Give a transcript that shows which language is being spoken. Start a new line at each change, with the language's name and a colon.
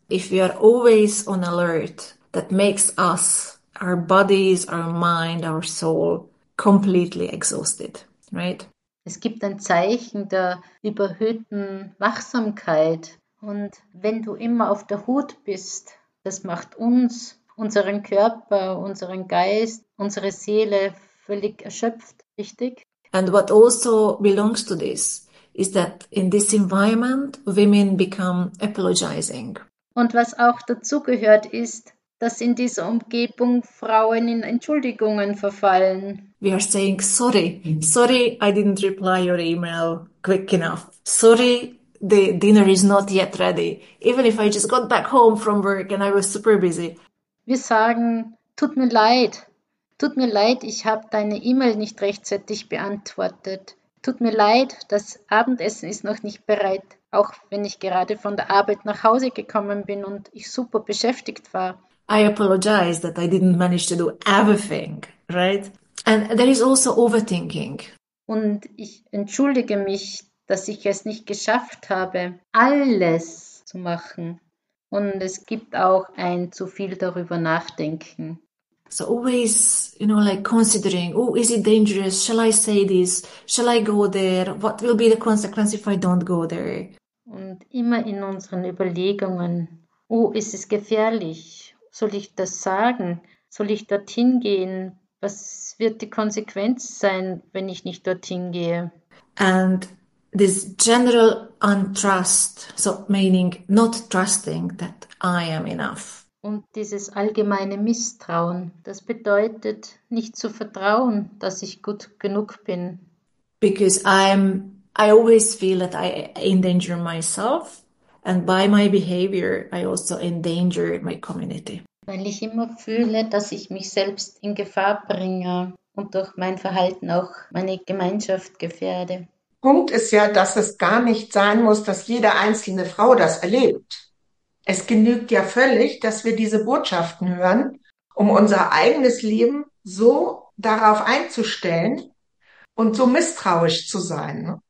English: If we are always on alert, that makes us, our bodies, our mind, our soul, completely exhausted, right?
German: Es gibt ein Zeichen der überhöhten Wachsamkeit. Und wenn du immer auf der Hut bist, das macht uns, unseren Körper, unseren Geist, unsere Seele völlig erschöpft, richtig?
English: And what also belongs to this is that in this environment, women become apologizing.
German: Und was auch dazugehört ist, dass in dieser Umgebung Frauen in Entschuldigungen verfallen.
English: We are saying, sorry, sorry, I didn't reply your email quick enough. Sorry, the dinner is not yet ready. Even if I just got back home from work and I was super busy.
German: Wir sagen, tut mir leid, ich habe deine E-Mail nicht rechtzeitig beantwortet. Tut mir leid, das Abendessen ist noch nicht bereit, auch wenn ich gerade von der Arbeit nach Hause gekommen bin und ich super beschäftigt war.
English: I apologize that I didn't manage to do everything, right? And there is also overthinking.
German: Und ich entschuldige mich, dass ich es nicht geschafft habe, alles zu machen. Und es gibt auch ein zu viel darüber nachdenken.
English: So always, you know, like considering, oh, is it dangerous? Shall I say this? Shall I go there? What will be the consequence if I don't go there?
German: Und immer in unseren Überlegungen, oh, ist es gefährlich? Soll ich das sagen? Soll ich dorthin gehen? Was wird die Konsequenz sein, wenn ich nicht dorthin gehe?
English: And this general untrust, so meaning not trusting that I am enough.
German: Und dieses allgemeine Misstrauen, das bedeutet nicht zu vertrauen, dass ich gut genug bin.
English: Because I always feel that I endanger myself. And by my behavior, I also endanger my community.
German: Weil ich immer fühle, dass ich mich selbst in Gefahr bringe und durch mein Verhalten auch meine Gemeinschaft gefährde. Punkt ist ja, dass es gar nicht sein muss, dass jede einzelne Frau das erlebt. Es genügt ja völlig, dass wir diese Botschaften hören, um unser eigenes Leben so darauf einzustellen und so misstrauisch zu sein.